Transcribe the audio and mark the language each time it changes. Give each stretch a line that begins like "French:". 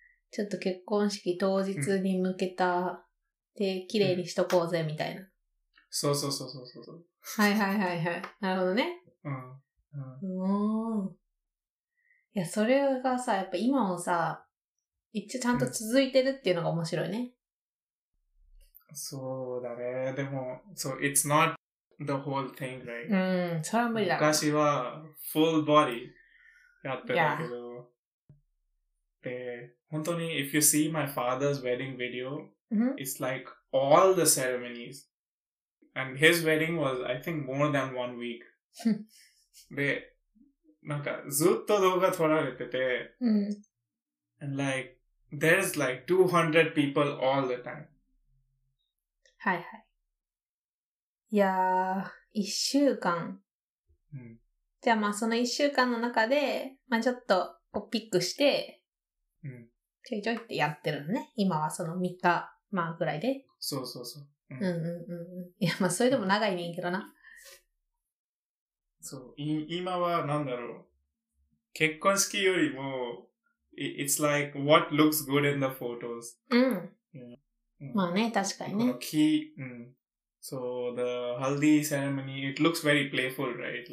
Japanese: ちょっと結婚式当日に向けた、うん、で、綺麗にしとこうぜみたいな。そうそうそうそうそう。はいはいはいはい。なるほどね。うん。うん。いや、それがさ、やっぱ今もさ、一応ちゃんと続いてるっていうのが面白いね。うんそうだね。でも、
English: so it's not the whole thing, right?
Japanese: うん、それは無理だ。昔は
English: full body
Japanese: やってたけど、で、本当に
English: if you see my father's wedding video,、 mm-hmm. it's like all the ceremonies. And his wedding was, I think, more than one week.
Japanese: で、なんかずっと動画撮られてて、
English: mm-hmm. and like, there's like 200 people all the time.
Japanese: はいはい。いやー、一週間。うん。じゃあまあその一週間の中で、まあちょっとこうピックして、うん。ちょいちょいってやってるのね。今はその3日、まあぐらいで。そうそうそう。うんうんうんうん。いやまあそれでも長いねんけどな。そう。今はなんだろう。結婚式よりも、
English: it's like what looks good in the photos.
Japanese: うん。うん、まあね、確かにね。この木、うん。
English: So, the haldi ceremony, it looks very playful, right?